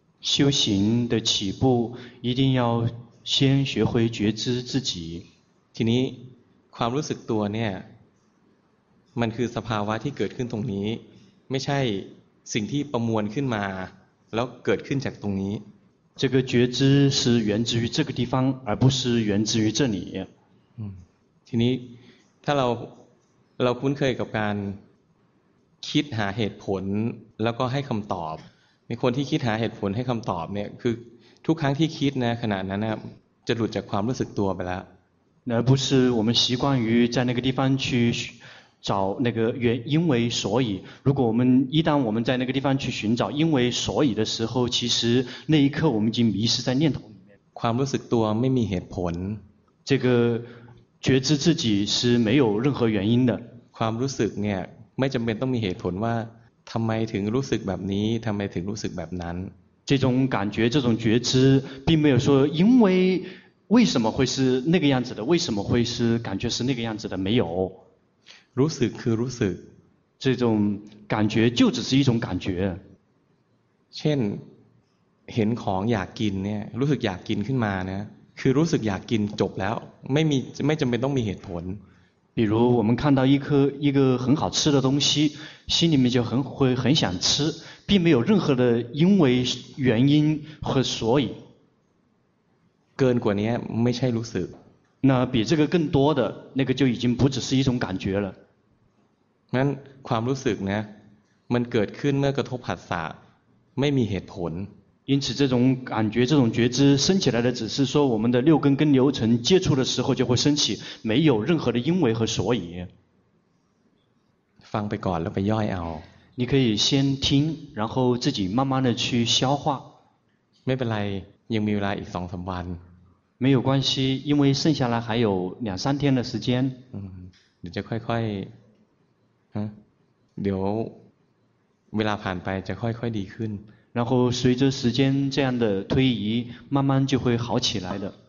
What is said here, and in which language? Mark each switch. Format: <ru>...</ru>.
<zh>修行的起步一定要先学会觉知自己</zh> <th>ทีนี้ความรู้สึกตัวเนี่ยมันคือสภาวะที่เกิดขึ้นตรงนี้ไม่ใช่สิ่งที่ประมวลขึ้นมาแล้วเกิดขึ้นจากตรงนี้</th> <zh>这个觉知是源自于这个地方而不是源自于这里</zh> <th>ทีนี้ถ้าเราคุ้นเคยกับการคิดหาเหตุผลแล้วก็ให้คำตอบในคนที่คิดหาเหตุผลให้คำตอบเนี่ยคือทุกครั้งที่คิดนะขณะนั้นนะจะหลุดจากความรู้สึกตัวไปแล้</th> <zh>วและ不是我们习惯于在那个地方去找那个原因为所以如果我们一旦我们在那个地方去寻找因为所以的时候其实那一刻我们已经迷失在念头里面</zh> <th>ความรู้สึกตัวไม่มีเหตุผล</th> <zh>这个觉知自己是没有任何原因的</zh> <th>ความรู้สึกเนี่ยไม่จำเป็นต้องมีเหตุผลว่าทำไมถึงรู้สึกแบบนี้ทำไมถึงรู้สึกแบบนั้น</th> <zh>这种感觉这种觉知并没有说因为为什么会是那个样子的为什么会是感觉是那个样子的没有</zh> <th>รู้สึกคือรู้สึก</th> <zh>这种感觉就只是一种感觉</zh> <th>เช่นเห็นของอยากกินเนี่ยรู้สึกอยากกินขึ้นมานะคือรู้สึกอยากกินจบแล้วไม่จำเป็นต้องมีเหตุผล</th> <zh>比如我们看到一个很好吃的东西心里面就很想吃并没有任何的因为原因和所以</zh> <th>เกินกว่านี้ไม่ใช่รู้สึก</th> <zh>那比这个更多的那个就已经不只是一种感觉了</zh> <th>นั้นความรู้สึกนะมันเกิดขึ้นเมื่อกระทบผัสสะไม่มีเหตุผล</th> <zh>因此这种感觉这种觉知升起来的只是说我们的六根跟流程接触的时候就会升起没有任何的因为和所以</zh> <th>ฟังไปก่อนแล้วไปย่อยเอา</th> <zh>你可以先听然后自己慢慢的去消化</zh> <th>ไม่เป็นไรยังมีเวลาอีก 2-3 วัน</th> <zh>没有关系因为剩下来还有两三天的时间</zh> <th>เดี๋ยวจะค่อยๆเดี๋ยวเวลาผ่านไปจะค่อยๆดีขึ้น</th> <zh>然后随着时间这样的推移慢慢就会好起来的</zh>